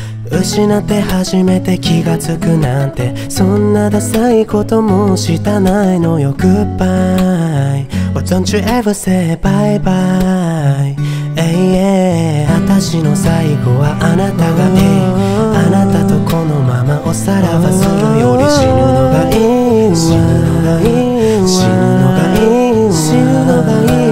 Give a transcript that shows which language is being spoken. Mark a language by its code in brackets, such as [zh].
[ja] 失って初めて気がつくなんて、そんなダサいこともしたないのよ。 [en] Goodbye Why don't you ever say bye bye。 Hey yeah。 [ja] 私の最後はあなたがいい。あなたとこのままおさらばするより、死ぬのがいい、死ぬのがいい、死ぬのがいい、死ぬのがいい。